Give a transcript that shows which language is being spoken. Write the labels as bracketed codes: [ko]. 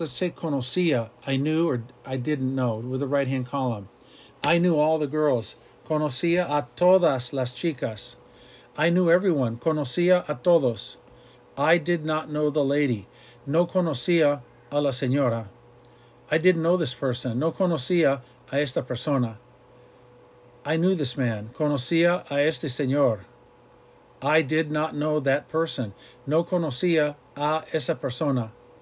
[en] Let's say conocía, I knew or I didn't know, with the right-hand column. I knew all the girls. [es] Conocía a todas las chicas. [en] I knew everyone. [es] Conocía a todos. [en] I did not know the lady. [es] No conocía a la señora. [en] I didn't know this person. [es] No conocía a esta persona. [en] I knew this man. [es] Conocía a este señor. [en] I did not know that person. [es] No conocía a esa persona.